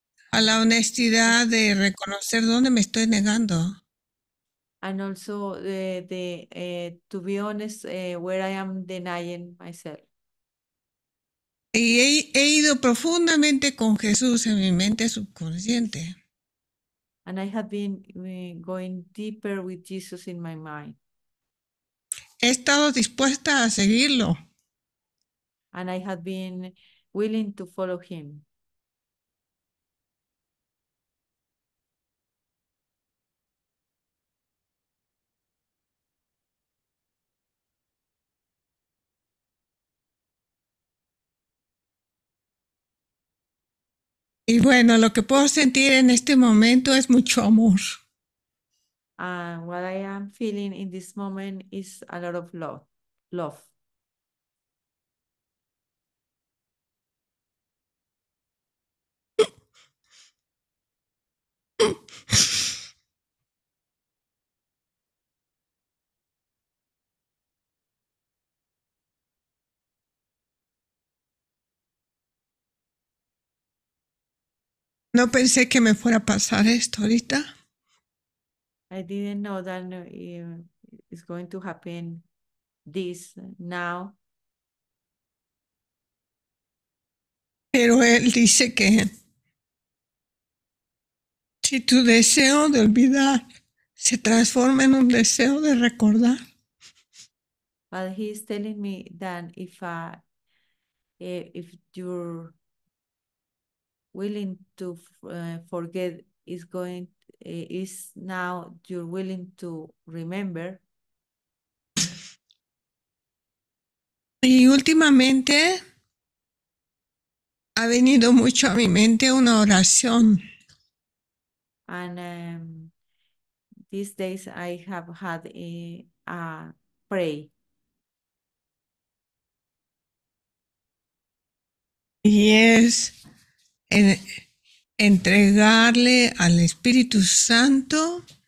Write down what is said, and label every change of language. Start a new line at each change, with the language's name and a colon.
Spanish: A la honestidad de reconocer dónde me estoy negando.
English: And also to be honest, where I am denying myself.
Spanish: Y he ido profundamente con Jesús en mi mente subconsciente.
English: And I have been going deeper with Jesus in my mind.
Spanish: He estado dispuesta a seguirlo.
English: And I have been willing to follow him.
Spanish: Y bueno, lo que puedo sentir en este momento es mucho amor.
English: And what I am feeling in this moment is a lot of love.
Spanish: No pensé que me fuera a pasar esto ahorita.
English: I didn't know that it's going to happen this now.
Spanish: Pero él dice que Si tu deseo de olvidar se transforma en un deseo de recordar.
English: But he's telling me that if if you're willing to forget is going is now you're willing to remember.
Spanish: Y últimamente ha venido mucho a mi mente una oración.
English: And these days I have had a pray.
Spanish: Y es entregarle al Espíritu Santo.